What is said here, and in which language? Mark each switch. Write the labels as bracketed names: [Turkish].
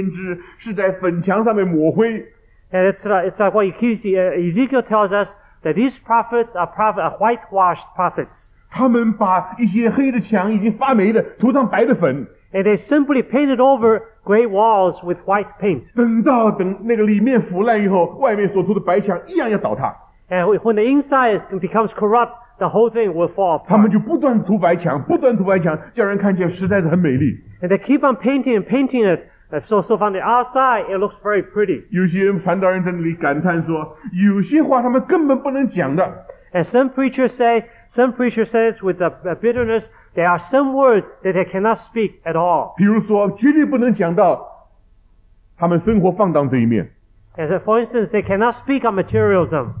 [Chinese] 我想起在以西结作里面告诉我们，这一类的先知是在粉墙上面抹灰。 [English] And it's like what Ezekiel tells us that these prophets are prophets, are whitewashed prophets. [Chinese] 他们把一些黑的墙已经发霉的涂上白的粉。 [English] And they simply painted over gray walls with white paint. [Chinese] 等那个里面腐烂以后，外面所涂的白墙一样要倒塌。 [English] And when the inside becomes corrupt, the whole thing will fall apart. [Chinese] 他们就不断涂白墙，叫人看见实在是很美丽。 [English] And they keep on painting and painting it, so from the outside it looks very pretty. [Chinese] 有些传道人在那里感叹说，有些话他们根本不能讲的。 [English] And some preacher says with a bitterness. There are some words that they cannot speak at all. [Chinese] 比如说，绝对不能讲到他们生活放荡这一面。 [English] As for instance, they cannot speak on materialism.